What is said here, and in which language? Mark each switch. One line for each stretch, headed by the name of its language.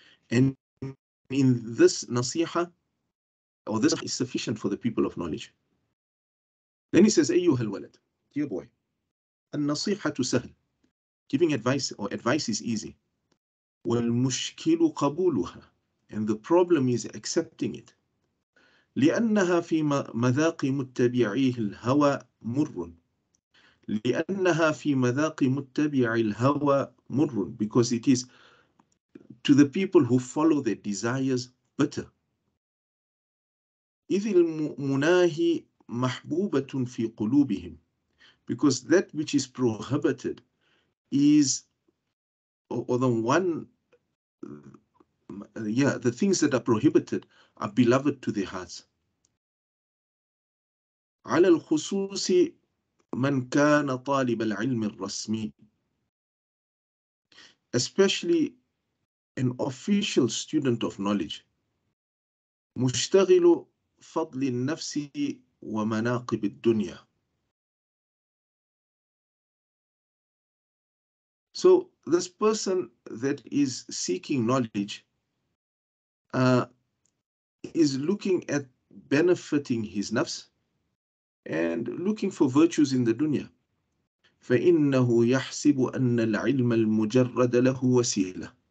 English: And in this nasiha, or this is sufficient for the people of knowledge. Then he says,
Arabic: أيها الولد,
English: dear boy,
Arabic: النصيحة سهل,
English: giving advice or advice is easy.
Arabic: والمشكل قبولها,
English: and the problem is accepting it.
Arabic: لأنها في مذاق متبعيه الهوى مر. لأنها في مذاق متبعي الهوى مر,
English: because it is to the people who follow their desires bitter.
Arabic: إذ المناهي محبوبة في قلوبهم,
English: because that which is prohibited is, or the one, yeah, the things that are prohibited are beloved to their hearts.
Arabic: على الخصوص من كان طالب العلم الرسمي,
English: especially an official student of knowledge,
Arabic: مشتغل فضل النفس ومناقب الدنيا.
English: So this person that is seeking knowledge is looking at benefiting his nafs and looking for virtues in the dunya.
Arabic: فَإِنَّهُ يَحْسِبُ أَنَّ الْعِلْمَ الْمُجَرَّدَ لَهُ وَسِيلَةً.